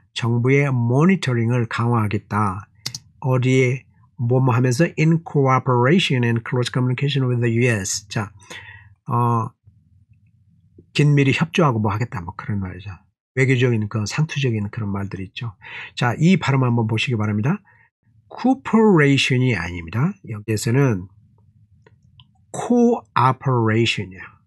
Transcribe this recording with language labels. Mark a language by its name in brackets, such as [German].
[Korean] 정부의 모니터링을 강화하겠다. 어디에? 뭐 하면서? [English] In cooperation and close communication with the U.S. [Korean] 자, 긴밀히 협조하고 뭐 하겠다. 뭐 그런 말이죠. 외교적인, 그 상투적인 그런 말들이 있죠. 자, 이 발음 한번 보시기 바랍니다. cooperation이 아닙니다. 여기에서는 cooperation이야.